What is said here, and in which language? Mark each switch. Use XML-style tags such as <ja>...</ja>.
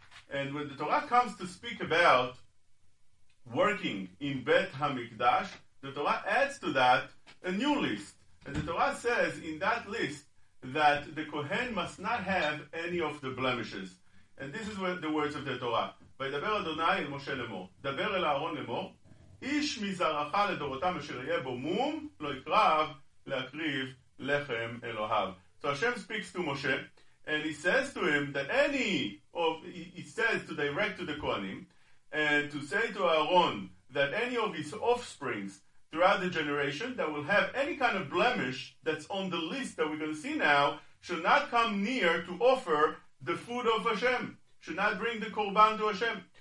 <en>And when the Torah comes to speak about working in Beit HaMikdash, the Torah adds to that a new list. And the Torah says in that list that the Kohen must not have any of the blemishes. And this is what the words of the Torah.</en> <he>וידבר אדוני אל משה לאמור, דבר אל אהרון לאמור, איש מזרעך לדורותם אשר יהיה בו מום, לא יקרב להקריב לחם אלוהיו.</he> <en>So Hashem speaks to Moshe, and he says to him that any of, he says to direct to the Kohanim, and to say to Aaron that any of his offsprings throughout the generation that will have any kind of blemish that's on the list that we're going to see now, should not come near to offer the food of Hashem, should not bring the korban to Hashem.</en>